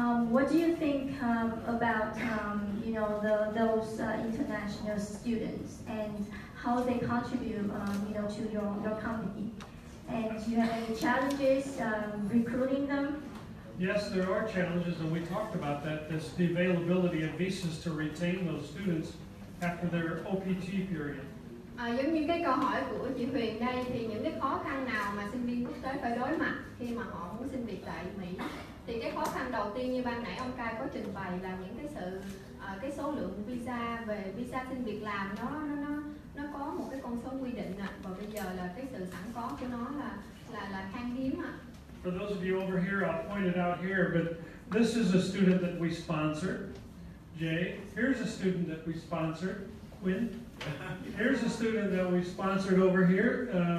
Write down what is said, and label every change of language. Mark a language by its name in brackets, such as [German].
[English] What do you think about you know those international students and how they contribute you know to your company? And do you have any challenges recruiting them? Yes, there are challenges, and we talked about that. That's the availability of visas to retain those students after their OPT period. [Vietnamese] Giống như cái câu hỏi của chị Huyền đây thì những cái khó khăn nào mà sinh viên quốc tế phải đối mặt khi mà họ muốn xin việc tại Mỹ? Thì cái khó khăn đầu tiên như ban nãy ông Kai có trình bày là những cái sự cái số lượng visa về visa xin việc làm nó có một cái con số quy định ạ. Và bây giờ là cái sự sẵn có của nó là khan hiếm ạ. [English] For those of you over here, I'll point it out here, but this is a student that we sponsored. Jay, here's a student that we sponsored. Quinn, here's a student that we sponsored over here.